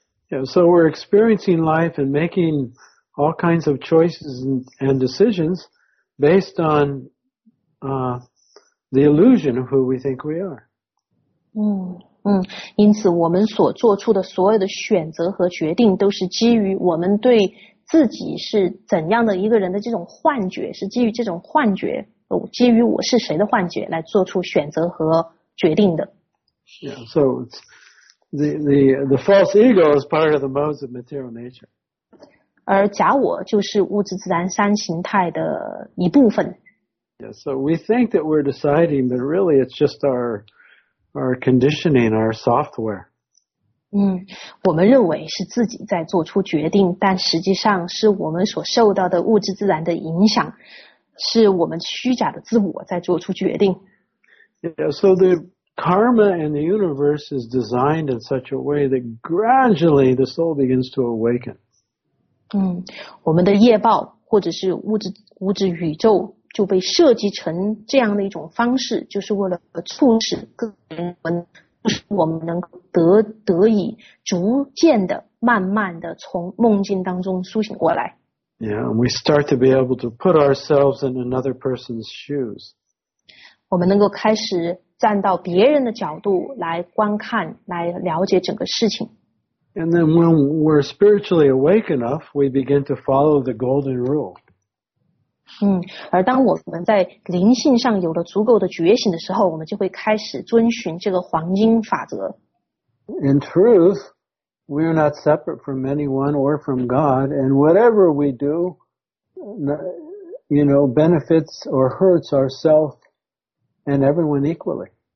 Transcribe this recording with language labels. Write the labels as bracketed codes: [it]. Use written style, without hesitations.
[en] Yeah, so we're experiencing life and making all kinds of choices and decisions based on, the illusion of who we think we are. [zh] 因此我们所做出的所有的选择和决定都是基于我们对自己是怎样的一个人的这种幻觉，是基于这种幻觉，基于我是谁的幻觉来做出选择和决定的。 [en] Yeah, so the false ego is part of the modes of material nature. [zh] 而假我就是物质自然三形态的一部分。 [en] Yeah, so we think that we're deciding, but really it's just our conditioning, our software. [zh] 我们认为是自己在做出决定，但实际上是我们所受到的物质自然的影响，是我们虚假的自我在做出决定。 [en] Yeah, so the karma in the universe is designed in such a way that gradually the soul begins to awaken. [zh] 我们的业报或者是物质宇宙就被设计成这样的一种方式，就是为了促使个人我们能得以逐渐的、慢慢的从梦境当中苏醒过来。 [en] Yeah, and we start to be able to put ourselves in another person's shoes. [zh] 我们能够开始站到别人的角度来观看、来了解整个事情。 [en] And then when we're spiritually awake enough, we begin to follow the golden rule. [zh] 而当我们在灵性上有了足够的觉醒的时候，我们就会开始遵循这个黄金法则。 [en] In truth, we are not separate from anyone or from God, and whatever we do, you know, benefits or hurts ourselves and everyone equally.